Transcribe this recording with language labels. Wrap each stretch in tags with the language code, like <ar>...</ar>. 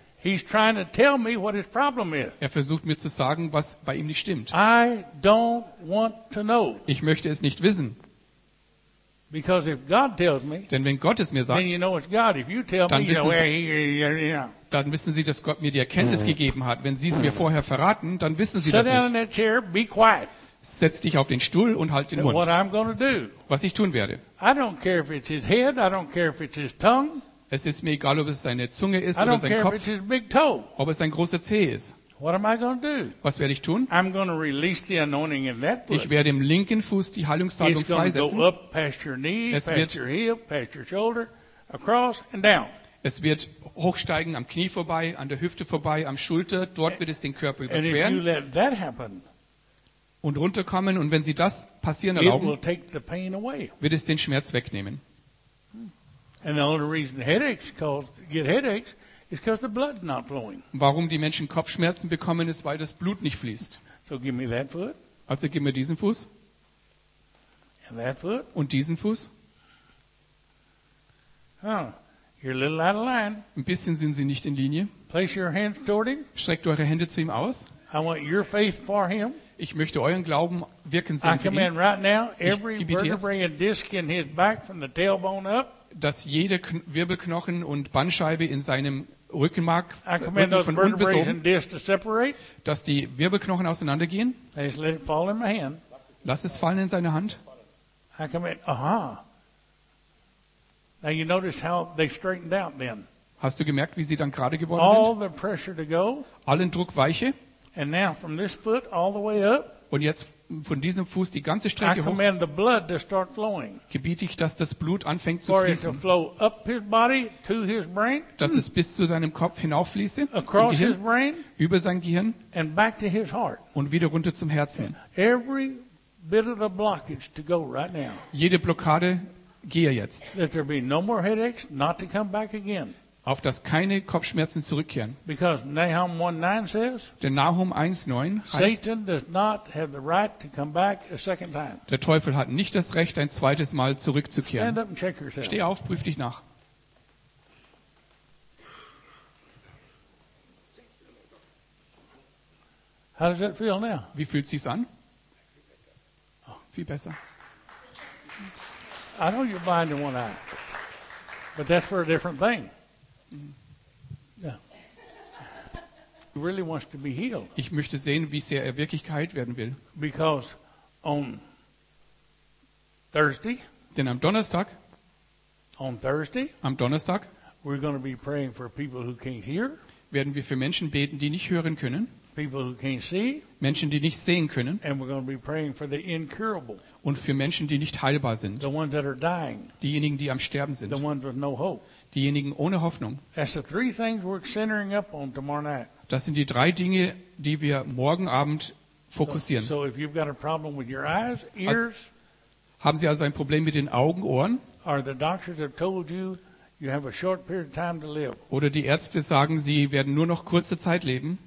<en>He's trying to tell me what his problem is.</en> <de>Er versucht mir zu sagen, was bei ihm nicht stimmt.</de> <en>I don't want to know.</en> <de>Ich möchte es nicht wissen.</de> <en>Because if God tells me,</en> <de>denn wenn Gott es mir sagt,</de> <en>then you know it's God. If you tell me, you know where he is.</en> <de>Dann wissen Sie, dass Gott mir die Erkenntnis gegeben hat. Wenn Sie es mir vorher verraten, dann wissen Sie</de> <en>sit</en> <de>das nicht.</de> <en>In that chair, be quiet.</en> <de>Setz dich auf den Stuhl und halt den Mund.</de> <en>What I'm gonna do.</en> <de>Was ich tun werde.</de> <en>I don't care if it's his head, I don't care if it's his tongue.</en> <de>Es ist mir egal, ob es seine Zunge ist oder sein Kopf,</de> <en>if it's his big toe.</en> <de>Ob es sein großer Zeh ist.</de> <en>What am I gonna do?</en> <de>Was werde ich tun?</de> <en>I'm gonna release the anointing in that foot.</en> <de>Ich werde im linken Fuß die Heilungssalbung</de> <en>it's gonna</en> <de>freisetzen.</de> <en>Go up past your knee, es past wird your hip, past your shoulder, across and down.</en> <de>Es wird hochsteigen am Knie vorbei, an der Hüfte vorbei, am Schulter. Dort wird es den Körper überqueren. Und runterkommen. Und wenn Sie das passieren erlauben, wird es den Schmerz wegnehmen. Warum die Menschen Kopfschmerzen bekommen, ist, weil das Blut nicht fließt. Also gib mir diesen Fuß. Und diesen Fuß.</de> <en>You're a little out of line.</en> <de>Ein bisschen sind Sie nicht in Linie.</de> <en>Place your hands toward him.</en> <de>Streckt eure Hände zu ihm aus.</de> <en>I want your faith for him.</en> <de>Ich möchte euren Glauben wirken sehen</de> <en>I</en> <de>für ihn.</de> <en>I command right now every vertebrae and disc in his back from the tailbone up.</en> <de>Dass jede Wirbelknochen und Bandscheibe in seinem Rückenmark</de> <en>I command those vertebrae</en> <de>oben,</de> <en>and disc to separate.</en> <de>Dass die Wirbelknochen auseinandergehen.</de> <en>I just let it fall in my hand.</en> <de>Lass es fallen in seine Hand.</de> <en>I command, Now you notice how they straightened out then.</en> <de>Hast du gemerkt, wie sie dann gerade geworden</de> <en>all</en> <de>sind?</de> <en>The pressure to go.</en> <de>Allen Druck weiche.</de> <en>And now from this foot all the way up.</en> <de>Und jetzt von diesem Fuß die ganze Strecke</de> <en>I</en> <de>hoch.</de> <en>I command the blood to start flowing.</en> <de>Gebiete ich, dass das Blut anfängt</de> <en>for</en> <de>zu fließen.</de> <en>It to flow up his body to his brain.</en> <de>Dass es bis zu seinem Kopf hinauffließe.</de> <en>Across</en> <de>Gehirn,</de> <en>his brain.</en> <de>Über sein Gehirn.</de> <en>And back to his heart.</en> <de>Und wieder runter zum Herzen. And</de> <en>every bit of the blockage to go right now.</en> <de>Jede Blockade gehe jetzt.</de> <en>Let there be no more headaches, not to come back again.</en> <de>Auf dass keine Kopfschmerzen zurückkehren.</de> <en>Because Nahum 1:9 says.</en> <de>Denn Nahum 1:9 heißt.</de> <en>Satan does not have the right to come back a second time.</en> <de>Der Teufel hat nicht das Recht, ein zweites Mal zurückzukehren.</de> <en>Stand up and check yourself.</en> <de>Steh auf, prüf dich nach.</de> <en>How does it feel now?</en> <de>Wie fühlt sich's an? Oh, viel besser.</de> <en>I know you're blind in one eye, but that's for a different thing. Yeah. He really wants to be healed.</en> <de>Ich möchte sehen, wie sehr er wirklich geheilt werden will.</de> <en>Because on Thursday.</en> <de>Denn am Donnerstag.</de> <en>On Thursday.</en> <de>Am Donnerstag.</de> <en>We're going to be praying for people who can't hear.</en> <de>Werden wir für Menschen beten, die nicht hören können.</de> <en>People who can't see.</en> <de>Menschen, die nicht sehen können.</de> <en>And we're going to be praying for the incurable.</en> <de>Und für Menschen, die nicht heilbar sind.</de> <en>The ones that are dying.</en> <de>Diejenigen, die am Sterben sind.</de> <en>The ones with no hope.</en> <de>Diejenigen ohne Hoffnung.</de> <en>That's the three things we're centering up on tomorrow night.</en> <de>Das sind die drei Dinge, die wir morgen Abend fokussieren.</de> <en>So if you've got a problem with your eyes, ears,</en> <de>haben Sie also ein Problem mit den Augen, Ohren?</de> <en>Or the doctors have told you you have a short period of time to live.</en> <de>Oder die Ärzte sagen, Sie werden nur noch kurze Zeit leben.</de>